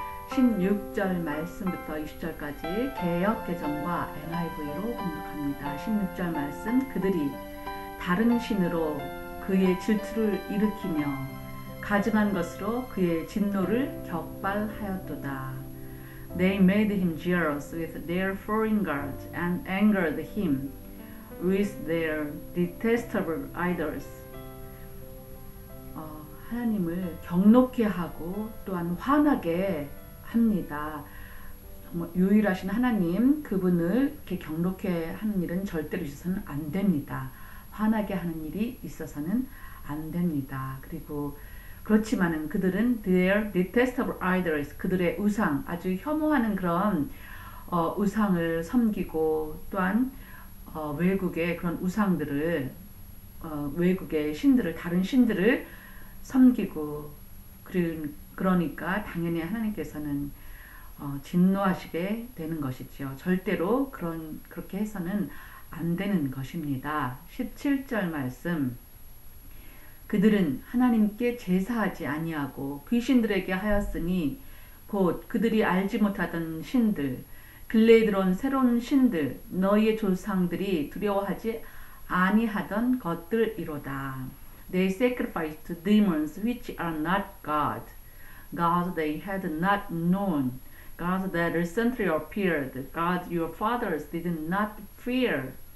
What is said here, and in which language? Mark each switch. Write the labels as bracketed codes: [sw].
[ko] 16절 말씀부터 20절까지 개역개정과 NIV로 공독합니다. 16절 말씀, 그들이 다른 신으로 그의 질투를 일으키며 가증한 것으로 그의 진노를 격발하였도다. [en] They made him jealous with their foreign gods and angered him with their detestable idols. [ko] 하나님을 경노케 하고 또한 화나게 합니다. 정말 유일하신 하나님, 그분을 이렇게 경노케 하는 일은 절대로 있어서는 안 됩니다. 화나게 하는 일이 있어서는 안 됩니다. 그리고 그렇지만은 그들은 [en] their detestable idols, [ko] 그들의 우상, 아주 혐오하는 그런 우상을 섬기고 또한 외국의 그런 우상들을 외국의 신들을 다른 신들을 섬기고 그러니까 당연히 하나님께서는 진노하시게 되는 것이지요. 절대로 그렇게 해서는 안 되는 것입니다. 17절 말씀, 그들은 하나님께 제사하지 아니하고 귀신들에게 하였으니 곧 그들이 알지 못하던 신들, 근래에 들어온 새로운 신들, 너희의 조상들이 두려워하지 아니하던 것들이로다. [en] They sacrificed to demons which are not God, God they had not known, God that recently appeared, God your fathers did not fear.